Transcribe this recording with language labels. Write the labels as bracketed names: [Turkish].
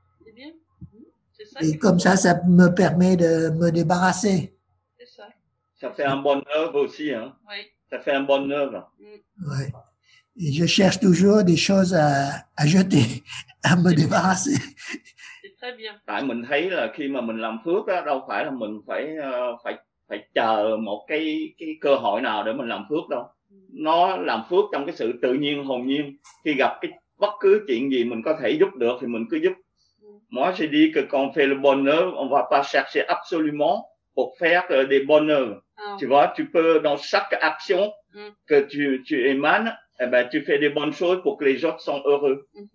[French] C'est bien. C'est ça. Et comme ça, ça me permet de me débarrasser. C'est ça. Ça fait un bon œuvre aussi, hein. Oui. Ça fait un bon œuvre. Oui. Et je cherche toujours des choses à jeter, à me débarrasser. [Vietnamese] Tại mình thấy là khi mà mình làm phước á, đâu phải là mình phải chờ một cái cơ hội nào để mình làm phước đâu. Nó làm phước trong cái sự tự nhiên hồn nhiên. Khi gặp cái bất cứ chuyện gì mình có thể giúp được thì mình cứ giúp. [French] Moi j'ai dit que quand on fait le bonheur, on va pas chercher absolument pour faire des bonheurs. Tu vois, tu peux dans chaque action que tu émanes, eh ben tu fais des bonnes choses pour que les autres sont heureux.